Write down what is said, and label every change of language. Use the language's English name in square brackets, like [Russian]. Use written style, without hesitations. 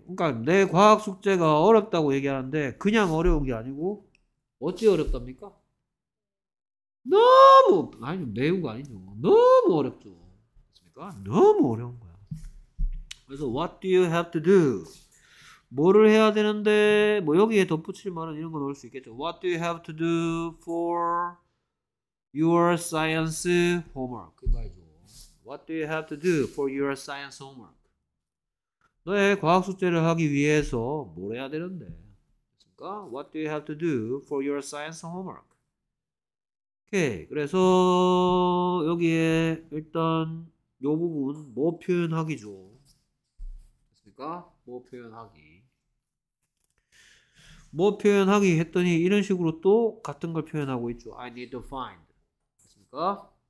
[Korean] 그러니까 내 과학 숙제가 어렵다고 얘기하는데 그냥 어려운 게 아니고 어찌 어렵답니까? 너무 아니 매운 거 아니죠? 너무 어렵죠. 맞습니까? 너무 어려운 거야. 그래서 [English] what do you have to do? [Korean] 뭐를 해야 되는데 뭐 여기에 덧붙일 말은 이런 거 넣을 수 있겠죠. [English] What do you have to do for your science homework? [Korean] 그 말이죠. [English] What do you have to do for your science homework? [Korean] 너의 과학 숙제를 하기 위해서 뭘 해야 되는데? 그러니까 [English] What do you have to do for your science homework? [Korean] 오케이. 그래서 여기에 일단 요 부분 뭐 표현하기죠. 그러니까 뭐 표현하기. 뭐 표현하기 했더니 이런 식으로 또 같은 걸 표현하고 있죠. [English] I need to find. 맞습니까?